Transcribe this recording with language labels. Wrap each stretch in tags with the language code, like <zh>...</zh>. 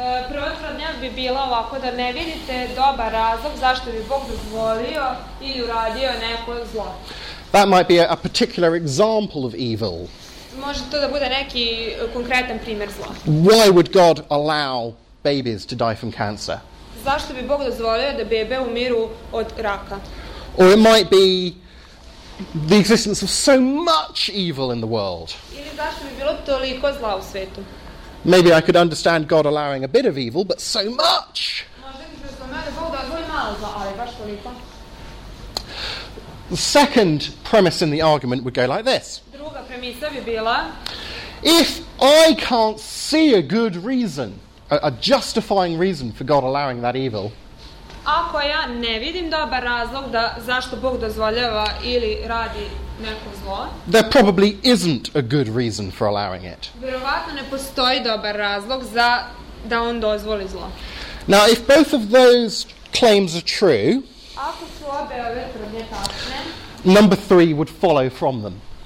<sr>Prva tvrdnja bi bila ovako da ne vidite dobar razlog zašto bi Bog dozvolio ili uradio neko zlo.</sr> <en>That might be a particular example of evil.</en> <sr>Može to da bude neki konkretan primjer zla.</sr> <en>Why would God allow babies to die from cancer?</en> <sr>Zašto bi Bog dozvolio da bebe umiru od raka?</sr> <en>Or it might be the existence of so much evil in the world.</en> <sr>Ili zašto bi bilo toliko zla u svetu?</sr> <en>Maybe I could understand God allowing a bit of evil, but so much.</en> <sr>Možda bih razumela da Bog dozvoli malo zla, ali baš toliko.</sr> <en>The second premise in the argument would go like this.</en> <sr>Druga premisa bi bila:</sr> <en>if I can't see a good reason, a justifying reason for God allowing that evil.</en> <sr>Ako ja ne vidim dobar razlog da zašto Bog dozvoljava ili radi neko zlo.</sr> <en>There probably isn't a good reason for allowing it.</en> <sr>Verovatno ne postoji dobar razlog za da on dozvoli zlo.</sr> <en>Now, if both of those claims are true,</en> <sr>ako su obe ove tvrdnje tačne,</sr> <en>number three would follow from them.</en>